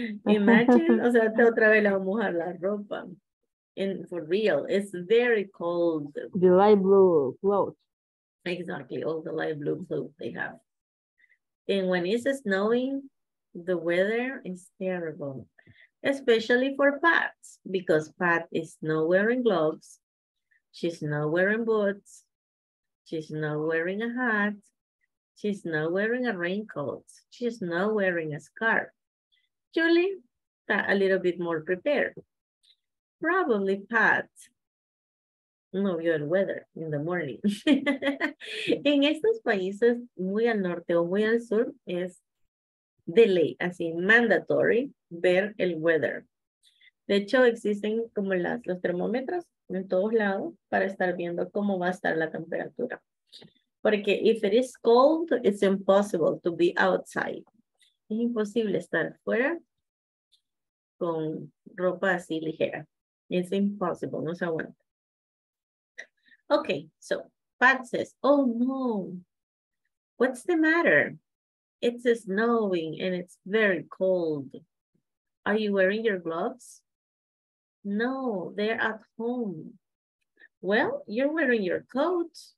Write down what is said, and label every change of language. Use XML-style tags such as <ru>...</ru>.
<en>Imagine,</en> <es>o sea, otra vez la vamos a mojar la ropa.</es> <en>And for real, it's very cold. The light blue clothes. Exactly, all the light blue clothes they have. And when it's snowing, The weather is terrible, especially for Pat, because Pat is not wearing gloves, she's not wearing boots, she's not wearing a hat, she's not wearing a raincoat, she's not wearing a scarf. Julie got a little bit more prepared. Probably Pat</en> <es>no vio el</es> <en>weather in the morning.</en> <es>En estos países, muy al norte o muy al sur, es de ley, así, mandatory, ver el weather. De hecho, existen como los termómetros en todos lados para estar viendo cómo va a estar la temperatura. Porque</es> <en>if it is cold, it's impossible to be outside.</en> <es>Es imposible estar fuera con ropa así ligera.</es> <en>It's impossible,</en> <es>no se aguanta.</es> <en>Okay, so Pat says, oh no, what's the matter? It's snowing and it's very cold. Are you wearing your gloves? No, they're at home. Well, you're wearing your coat.</en>